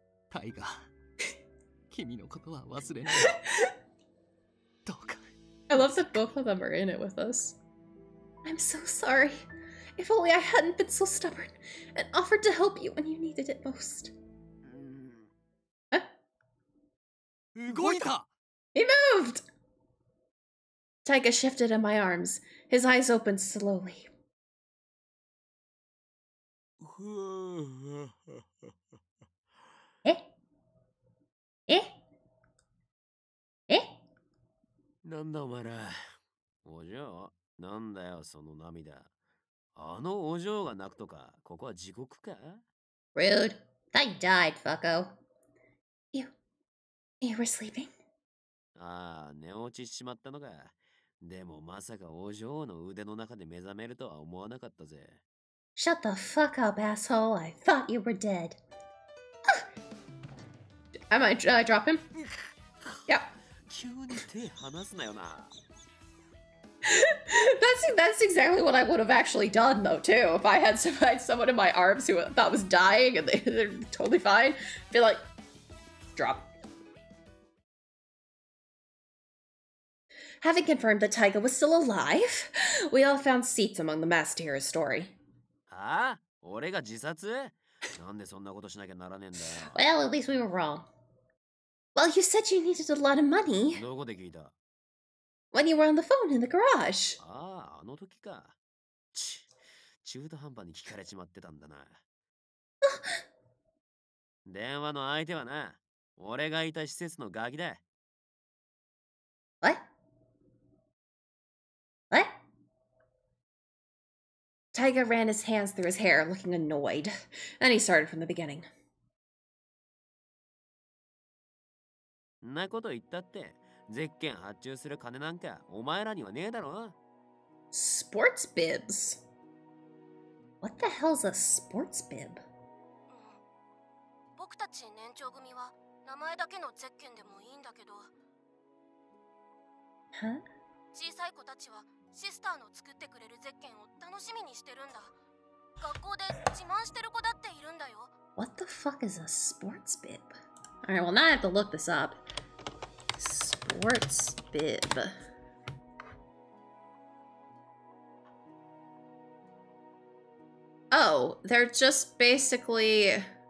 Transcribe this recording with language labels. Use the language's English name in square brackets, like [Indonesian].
[Japanese] タイガ、君のことは忘れない。どうか。 [English] I love that both of them are in it with us. I'm so sorry. If only I hadn't been so stubborn and offered to help you when you needed it most. He moved! Taiga shifted in my arms. His eyes opened slowly. Eh? Eh? Eh? [Japanese] なんだお前ら。お嬢、なんだよその涙。あのお嬢が泣くとか、ここは地獄か? [English] Rude. They died, fucko. You were sleeping? [Japanese] ああ、寝落ちしまったのか。でもまさかお嬢の腕の中で目覚めるとは思わなかったぜ。 [English] Shut the fuck up, asshole. I thought you were dead. Am I drop him? Yep. [Japanese] 急に手離すなよな。 [English] That's exactly what I would have actually done, though, too. If I had someone in my arms who I thought was dying and they're totally fine, I'd be like, drop. Having confirmed that Taiga was still alive, we all found seats among the mass to hear his story. [Japanese] Ah? 俺が自殺? なんでそんなことしなきゃならねえんだよ。 [English] Well, at least we were wrong. Well, you said you needed a lot of money. [Japanese] どこで聞いた? [English] When you were on the phone in the garage. [Japanese] Ah, あの時か。ち、中途半端に聞かれちまってたんだな。電話の相手はな、俺がいた施設のガキだ。 [English] What? Taiga ran his hands through his hair, looking annoyed. Then he started from the beginning. [Japanese] なこと言ったって、ゼッケン発注する金なんかお前らにはねえだろ? [English] Sports bibs? What the hell's a sports bib? [Japanese] 僕たち年長組は名前だけのゼッケンでもいいんだけど。 [English] Huh? [Japanese] 小さい子たちは。シスターの作ってくれるゼッケンを楽しみにしてるんだ。学校で自慢してる子だっているんだよ。 [English] What the fuck is a sports bib? Alright, well now I have to look this up. Sports bib. Oh, they're just basically...